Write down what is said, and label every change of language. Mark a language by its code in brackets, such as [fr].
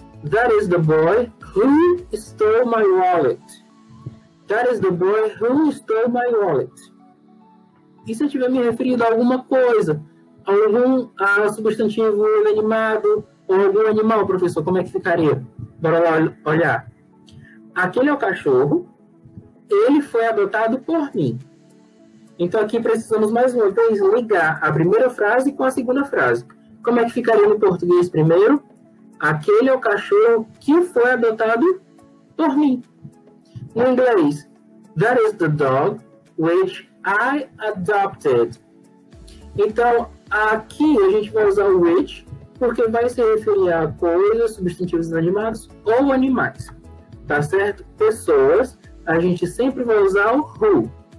[en] That is the boy who stole my wallet. That is the boy who stole my wallet. [pt] E se eu estiver me referindo a alguma coisa? Algum substantivo inanimado ou algum animal, professor? Como é que ficaria? Bora lá olhar. Aquele é o cachorro. Ele foi adotado por mim. Então aqui precisamos mais uma vez ligar a primeira frase com a segunda frase. Como é que ficaria no português primeiro? Aquele é o cachorro que foi adotado por mim. No inglês, [en] that is the dog which I adopted. [pt] Então, aqui a gente vai usar o which, porque vai se referir a coisas, substantivos inanimados ou animais. Tá certo? Pessoas, a gente sempre vai usar o who.